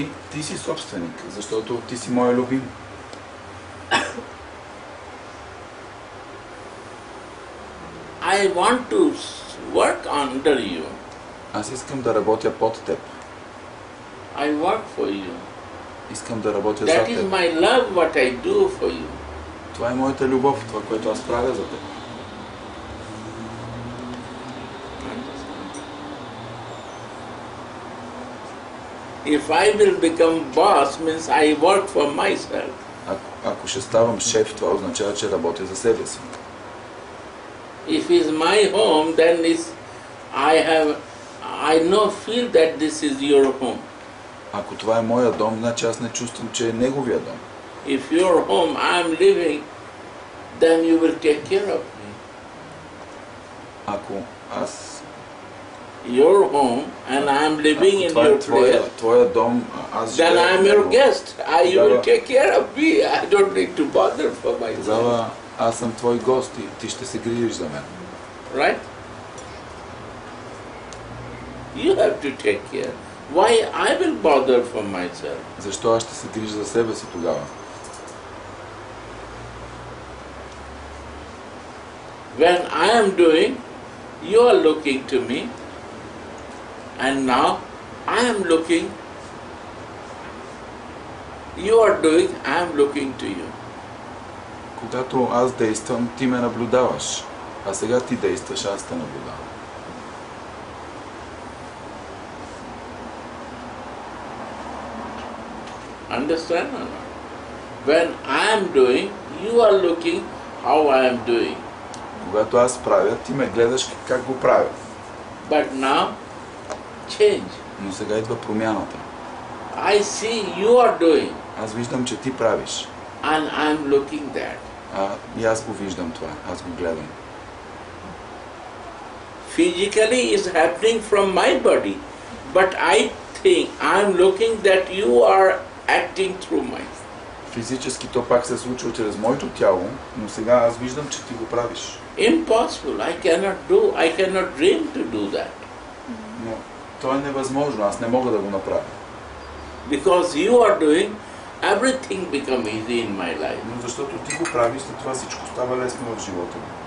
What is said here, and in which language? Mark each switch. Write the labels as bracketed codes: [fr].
[bg] Ти си собственик, защото ти си моя любим. [en] I want to work under you. [bg] Аз искам да работя под теб. [en] I work for you. [bg] Искам да работя [en] that [bg] за теб. [en] That is my love what I do for you. [bg] Това е моята любов, това което аз правя за теб. [en] If I will become boss means I work for myself. [bg] Ако ще ставам шеф, това означава че работя за себе си. [en] If it is my home, then I feel that this is your home. [bg] Ако това е моя дом, значи аз не чувствам че е неговия дом. [en] If your home I am living, then you will take care of me. [bg] Ако аз [en] your home and I am living in your place. [bg] Твоя дом, аз живея. [en] Then I am your guest. You will take care of me. I don't need to bother for myself. [bg] Зала, аз съм твой гост и ти ще се грижиш за мен. [en] Right? You have to take care. Why I will bother for myself? [bg] Защо аз ще се грижа за себе си тогава? [en] When I am doing, you are looking to me. And now I am looking, you are doing, I am looking to you. [bg] Когато аз действам, ти ме наблюдаваш, а сега ти действаш, аз те наблюдавам. [en] Understand or not? When I am doing, you are looking how I am doing. [bg] Когато аз правя, ти ме гледаш как го правя. [en] But now change. [bg] Но сега идва промяната. [en] I see you are doing. [bg] Аз виждам че ти правиш. [en] And I'm looking that. [bg] И аз го виждам това. Аз го гледам. [en] Physically is happening from my body, but I think I'm looking that you are acting through my. [bg] Физически то пак се случва чрез моето тяло, но сега аз виждам че ти го правиш. [en] Impossible. I cannot dream to do that. [bg] Това е невъзможно, аз не мога да го направя. [en] Because you are doing, everything become easy in my life. [bg] Но защото ти го правиш, след това всичко става лесно в живота ми.